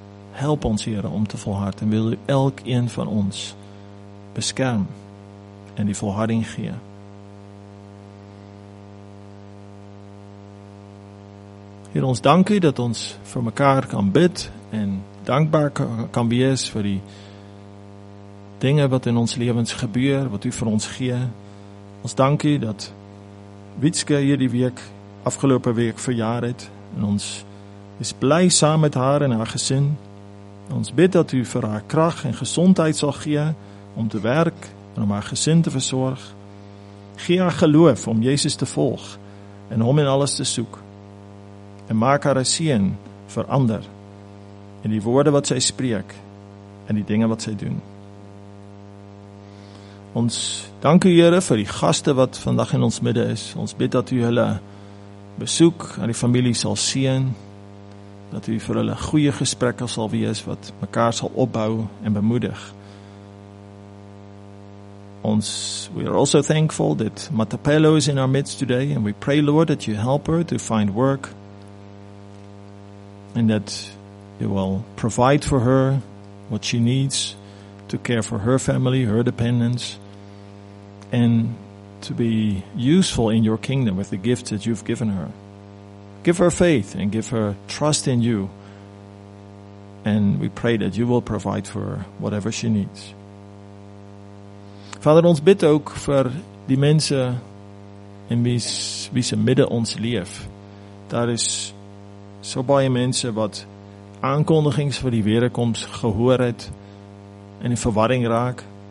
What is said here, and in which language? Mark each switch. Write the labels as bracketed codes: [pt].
[af] Help ons, Heere, om te volharden. En wil u elk een van ons beschermen en die volharding geven. Heer, ons dank u dat ons voor elkaar kan bid en dankbaar kan wees voor die dinge wat in ons lewens gebeur, wat u vir ons gee. Ons dankie dat Wietske hierdie week, afgelope week, verjaar het, en ons is bly saam met haar en haar gesin. Ons bid dat u vir haar krag en gezondheid sal gee, om te werk en om haar gesin te verzorg. Gee haar geloof om Jezus te volg en om in alles te soek. En maak haar een seën vir ander in die woorde wat sy spreek en die dinge wat sy doen. Ons dank u Here vir die gaste wat vandag in ons midde is. Ons bid dat u hulle besoek aan die familie sal seën, dat u vir hulle goeie gesprekke sal wees wat mekaar sal opbou en bemoedig. [en] We are also thankful that Matapelo is in our midst today, and we pray, Lord, that you help her to find work and that you will provide for her what she needs to care for her family, her dependents, and to be useful in your kingdom with the gifts that you've given her. Give her faith and give her trust in you, and we pray that you will provide for her whatever she needs. [af] Vader, ons bid ook vir die mense in wie se midde ons leef. Daar is so baie mense wat aankondigings vir die wederkoms gehoor het en in verwarring raak.